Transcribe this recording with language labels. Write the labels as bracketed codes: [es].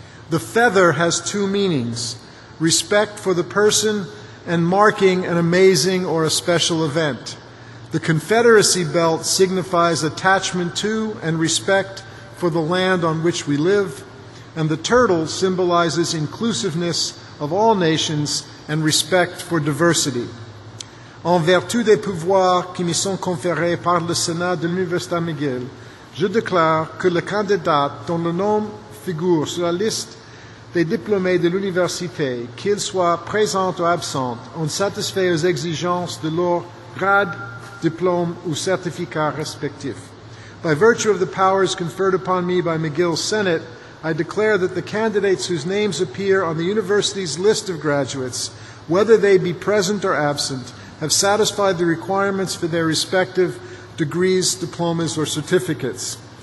[en] The feather has two meanings, respect for the person and marking an amazing or a special event. The Confederacy belt signifies attachment to and respect for the land on which we live, and the turtle symbolizes inclusiveness of all nations and respect for diversity. [fr] En vertu des pouvoirs qui me sont conférés par le Sénat de l'Université McGill, je déclare que le candidat dont le nom figure sur la liste des diplômés de l'université, qu'ils soient présents ou absents, ont satisfait aux exigences de leur grade, diplôme ou certificat respectif. [en] By virtue of the powers conferred upon me by McGill Senate, I declare that the candidates whose names appear on the university's list of graduates, whether they be present or absent, have satisfied the requirements for their respective degrees, diplomas, or certificates.